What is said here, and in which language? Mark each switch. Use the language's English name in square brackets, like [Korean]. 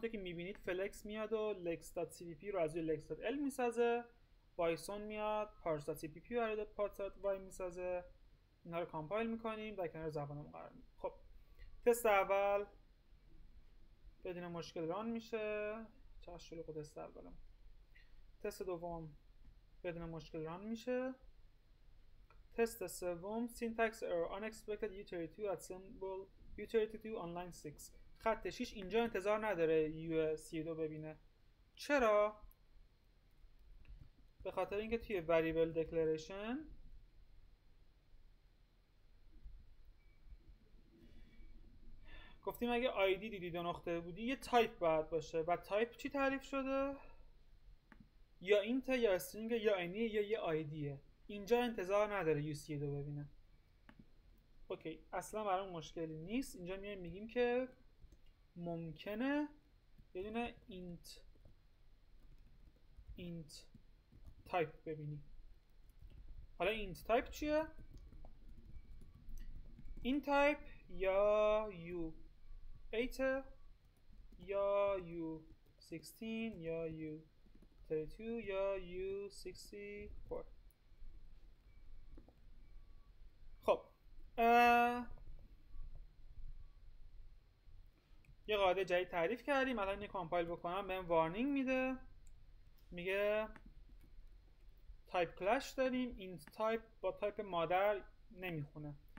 [Persian] همونطور که میبینید فلکس میاد و lex.cpp رو از روی lex.l میسازه، بایسون میاد parse.cpp رو از روی parse.y میسازه. اینا رو کامپایل میکنیم در کنار زبانم قرار میدیم. خب تست اول بدون مشکل ران میشه. چقدر شلوغ تست اولم. تست دوم بدون مشکل ران میشه. تست سوم [English] syntax error unexpected u32 at symbol u32 on line 6. [Persian] خط 6 اینجا انتظار نداره U32 ببینه. چرا؟ به خاطر اینکه توی variable declaration گفتیم اگه ID دیدی دو نقطه بودی یه type باید باشه و type چی تعریف شده؟ یا int یا string یا any یا یه IDه. اینجا انتظار نداره U32 ببینه. اوکی اصلا برام مشکلی نیست. اینجا میایم میگیم که ممکنه یه دونه int type ببینی. حالا int type چیه؟ int type یا u8 یا u16 یا u32 یا u64. خب یه قاعده جدید تعریف کردیم. الان اینو کامپایل بکنم بهم وارنینگ میده، میگه تایپ کلش داریم، این تایپ با تایپ مادر نمیخونه.